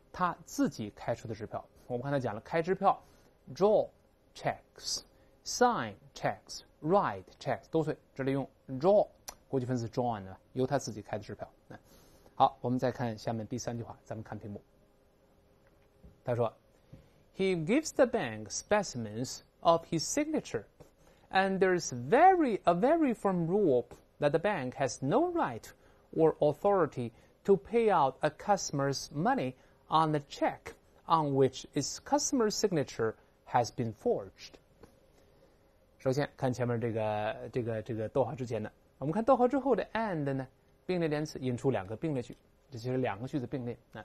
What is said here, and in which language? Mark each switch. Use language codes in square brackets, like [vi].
[zh] 他自己开出的支票。我们刚才讲了开支票 draw checks， sign checks， write checks 都对，这里用 draw， 国际分词 drawn 的，由他自己开的支票。好，我们再看下面第三句话，咱们看屏幕。他说 [en] He gives the bank specimens of his signature， and there's a very firm rule that the bank has no right or authority to pay out a customer's money on the checkOn which its customer signature has been forged。 [zh] 首先看前面这个逗号之前的，我们看逗号之后的 and 呢，并列连词引出两个并列句，这其实两个句子并列。